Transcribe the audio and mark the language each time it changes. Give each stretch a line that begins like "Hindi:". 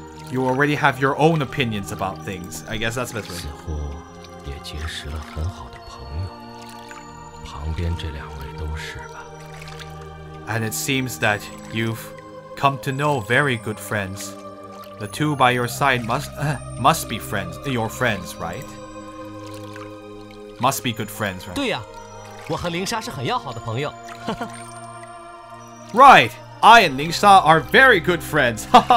English: You already have your own opinions about things. I guess that's the best way. And it seems that you've come to know very good friends. The two by your side must be friends. Your friends, right? Must be good friends, right?
Chinese: 对呀，我和林莎是很要好的朋友。
English: Right, I and Lingsha are very good friends.